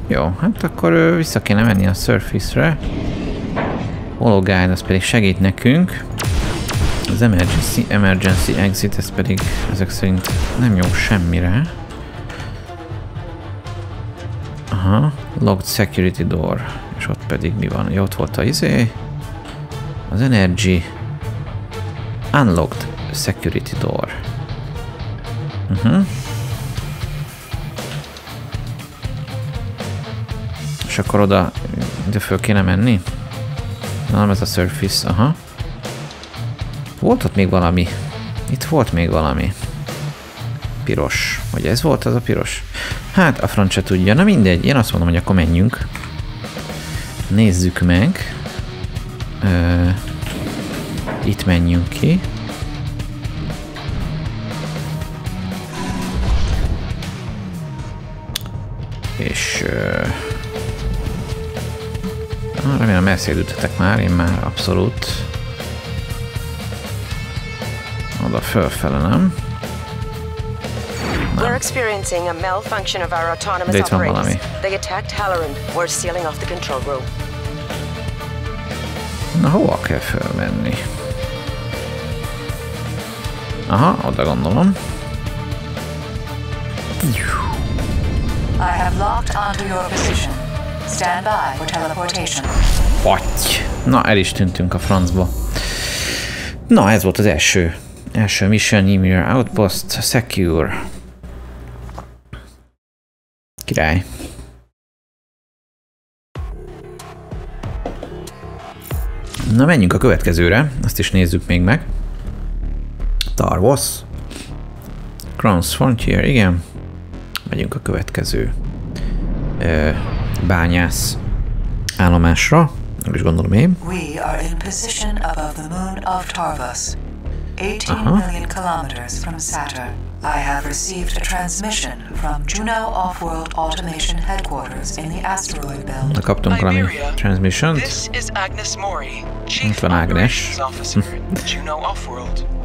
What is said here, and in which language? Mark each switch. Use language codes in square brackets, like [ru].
[hu] Jó, hát akkor vissza kéne menni a surface-re. Hologuide, az pedig segít nekünk. Az emergency exit, ez pedig ezek szerint nem jó semmire. Aha, locked security door. És ott pedig mi van? Jó, ott volt a izé. Az energy. [en] Unlocked security door. [hu] Uh-huh. És akkor oda ide föl kéne menni? Na, nem ez a surface, aha. Volt ott még valami? Itt volt még valami. Piros. Vagy ez volt az a piros? Hát, a francia tudja. Na mindegy, én azt mondom, hogy akkor menjünk. Nézzük meg. Itt menjünk ki. És remélem elszédültetek már, én már abszolút oda fölfele, nem? [en] We're experiencing a malfunction of our autonomous operators. They attacked Halloran. We're sealing off the control room. [hu] Na, hova kell fölmenni? Aha, oda gondolom. [en] I have locked onto your position. Stand by for teleportation. Fatty. [hu] Na, el is tűntünk a francba. Na, ez volt az első. Első mission, Ymir Outpost, secure. Király. Na, menjünk a következőre. Azt is nézzük még meg. Star Wars. Kronos Frontier, igen. Megyünk a következő bányász állomásra. Nem is gondolom én. [en] We are in position above the moon of Tarvos. 18 million kilometers from Saturn. I have received a transmission from Juno Offworld Automation Headquarters in the asteroid belt. [hu] Na, kaptunk valami transmission. [en] This is Agnes Mori, Chief Operations Officer, Juno Offworld.